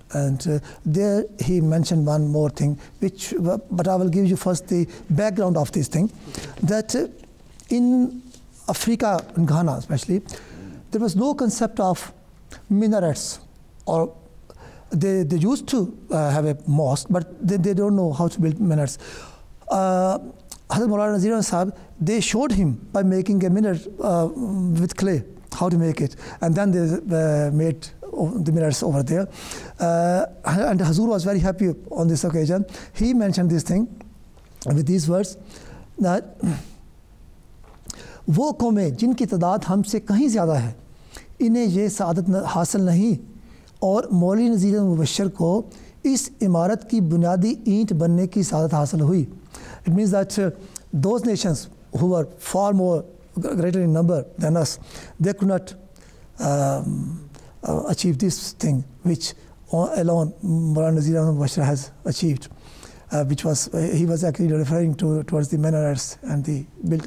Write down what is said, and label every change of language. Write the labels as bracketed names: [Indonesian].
[English] And there he mentioned one more thing, which but I will give you first the background of this thing, that in Africa, in Ghana especially, there was no concept of minarets, or they used to have a mosque, but they don't know how to build minarets. Hazrat Maulana Nazir Ahmed Sahib, they showed him by making a minaret with clay, how to make it, and then they made the minarets over there. And Hazur was very happy on this occasion. He mentioned this thing with these words, that [Urdu] وہ قومیں جن کی تعداد ہم سے کہیں زیادہ ہے انہیں یہ سعادت حاصل نہیں اور مولوی نذیر احمد مبشر کو اس عمارت کی بنیادی اینٹ بننے کی سعادت حاصل ہوئی. [English] It means that those nations who were far more greater in number than us, they could not achieve this thing which alone Maulvi Nazir Ahmad Mubashir has achieved. Which was he was actually referring to towards the minarets and the built.